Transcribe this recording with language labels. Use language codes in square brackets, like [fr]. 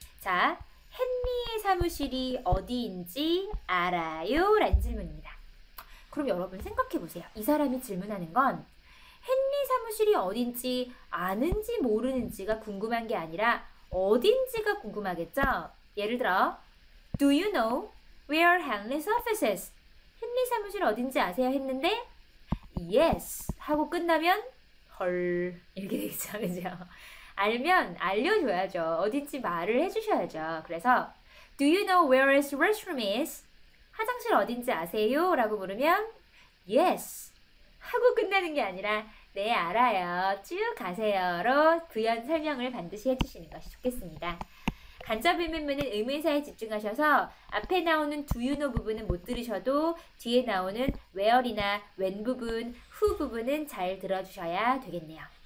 [ko] 자, 헨리의 사무실이 어디인지 알아요? 라는 질문입니다. 그럼 여러분 생각해 보세요. 이 사람이 질문하는 건 헨리 사무실이 어딘지 아는지 모르는지가 궁금한 게 아니라 어딘지가 궁금하겠죠? 예를 들어, [en] Do you know where Henry's office is? [ko] 헨리 사무실 어딘지 아세요? 했는데, Yes. 하고 끝나면, 헐. 이렇게 되겠죠, 그죠? 알면 알려줘야죠. 어딘지 말을 해주셔야죠. 그래서, [en] Do you know where his restroom is? [ko] 화장실 어딘지 아세요? 라고 물으면, Yes. 하고 끝나는 게 아니라, 네, 알아요. 쭉 가세요로 부연 설명을 반드시 해주시는 것이 좋겠습니다. 간접 의문문은 의문사에 집중하셔서 앞에 나오는 [en] do you know [ko] 부분은 못 들으셔도 뒤에 나오는 where이나 when 부분, who 부분은 잘 들어주셔야 되겠네요.